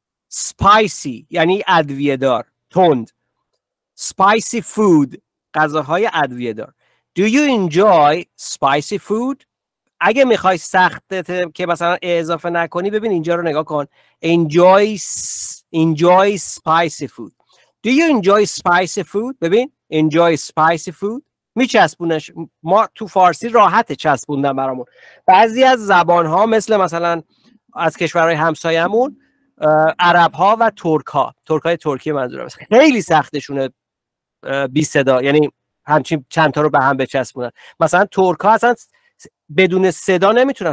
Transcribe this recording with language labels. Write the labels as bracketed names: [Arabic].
[Persian] Spicy یعنی ادویه دار تند. Spicy food غذاهای ادویه دار. [English] Do you enjoy spicy food؟ [Persian] اگه میخوای سختت که مثلا اضافه نکنی ببین اینجا رو نگاه کن. [English] Enjoy spicy food. Do you enjoy spicy food؟ [Persian] ببین [English] enjoy spicy food. [Persian] میچسبونش. ما تو فارسی راحته چسبوندن برامون. بعضی از زبانها مثل مثلا از کشورهای همسایمون عربها و ترکها. ترکای ترکی منظورم. خیلی سختشونه بی صدا. یعنی همچین چند تا رو به هم بچسبونن. مثلا ترکها اصلا بدون صدا نمیتونن.